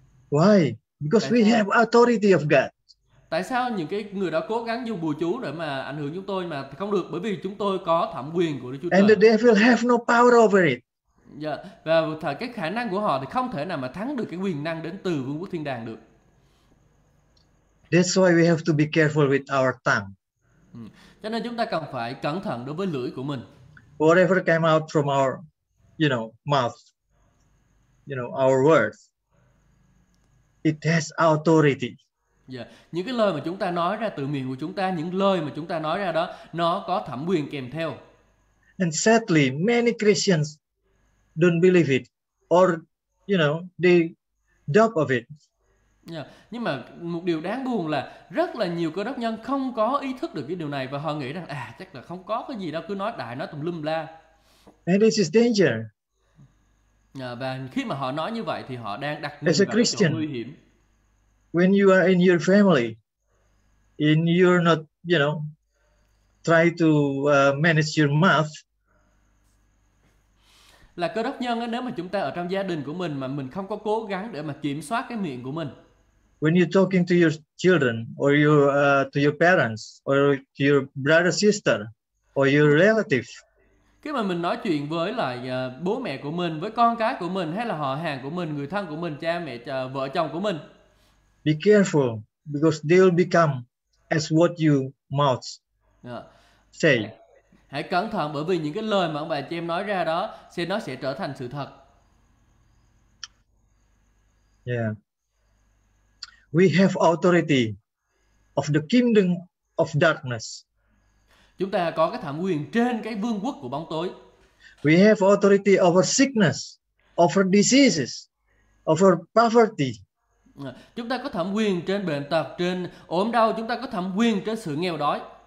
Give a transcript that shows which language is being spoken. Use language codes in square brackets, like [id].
[en] Why? Because we have authority of God. [vi] Tại sao những cái người đó cố gắng dùng bùa chú để mà ảnh hưởng chúng tôi mà không được? Bởi vì chúng tôi có thẩm quyền của Đức Chúa [en] Trời. And the devil have no power over it. Yeah. [vi] Và cái khả năng của họ thì không thể nào mà thắng được cái quyền năng đến từ vương quốc thiên đàng được. [en] That's why we have to be careful with our tongue. [vi] Cho nên chúng ta cần phải cẩn thận đối với lưỡi của mình. [en] Whatever came out from our, you know, mouth, you know, our words, it has authority. Yeah. [vi] Những cái lời mà chúng ta nói ra từ miệng của chúng ta, những lời mà chúng ta nói ra đó, nó có thẩm quyền kèm theo. [en] And sadly, many Christians don't believe it, or you know, they doubt of it. Yeah. [vi] Nhưng mà một điều đáng buồn là rất là nhiều cơ đốc nhân không có ý thức được cái điều này và họ nghĩ rằng chắc là không có cái gì đâu, cứ nói đại nói tùm lum la. [en] And this is danger. [vi] Và khi mà họ nói như vậy thì họ đang đặt mình vào cái chỗ nguy hiểm. [en] When you are in your family, and you're not, you know, try to manage your mouth. [vi] Là cơ đốc nhân, nếu mà chúng ta ở trong gia đình của mình mà mình không có cố gắng để mà kiểm soát cái miệng của mình. [en] When you're talking to your children, or to your parents, or to your brother, sister, or your relative. [vi] Khi mà mình nói chuyện với lại bố mẹ của mình, với con cái của mình, hay là họ hàng của mình, người thân của mình, cha mẹ, vợ chồng của mình. [en] Be careful, because they will become as what you mouth say. [vi] Hãy cẩn thận bởi vì những cái lời mà ông bà chị em nói ra đó sẽ nó sẽ trở thành sự thật. [en] Yeah. We have authority of the kingdom of darkness. [vi] Chúng ta có cái thẩm quyền trên cái vương quốc của bóng tối. [en] We have authority over sickness, over diseases, over poverty. [vi] Chúng ta có thẩm quyền trên bệnh tật, trên ốm đau, chúng ta có thẩm quyền trên sự nghèo đói.